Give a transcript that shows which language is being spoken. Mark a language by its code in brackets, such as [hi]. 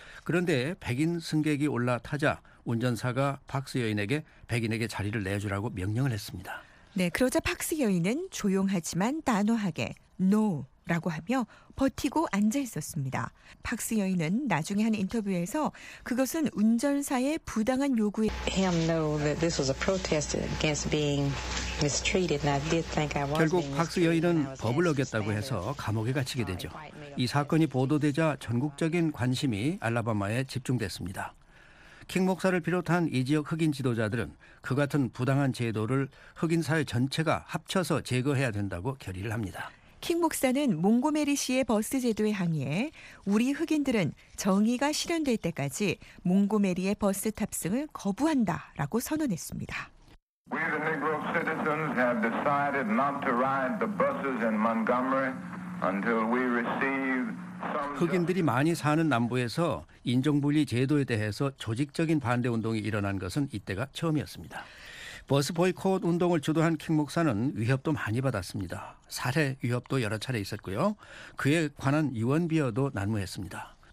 [ko] 그런데 백인 승객이 올라타자 운전사가 팍스 여인에게 백인에게 자리를 내주라고 명령을 했습니다. 네, 그러자 팍스 여인은 조용하지만 단호하게 노라고 하며 버티고 앉아 있었습니다. 팍스 여인은 나중에 한 인터뷰에서 그것은 운전사의 부당한 요구에 [en] him know that this was a protest against being mistreated and I did think I was [ko] 결국 팍스 여인은 법을 어겼다고 해서 감옥에 갇히게 되죠. 이 사건이 보도되자 전국적인 관심이 알라바마에 집중됐습니다. 킹 목사를 비롯한 이 지역 흑인 지도자들은 그 같은 부당한 제도를 흑인 사회 전체가 합쳐서 제거해야 된다고 결의를 합니다. 킹 목사는 몽고메리시의 버스 제도에 항의해 우리 흑인들은 정의가 실현될 때까지 몽고메리의 버스 탑승을 거부한다라고 선언했습니다. [en] We the Negro citizens have decided not to ride the buses in Montgomery until we receive [ko] 흑인들이 많이 사는 남부에서 인종분리 제도에 대해서 조직적인 반대운동이 일어난 것은 이때가 처음이었습니다. 버스 보이콧 운동을 주도한 킹 목사는 위협도 많이 받았습니다. 살해 위협도 여러 차례 있었고요. 그에 관한 유언비어도 난무했습니다.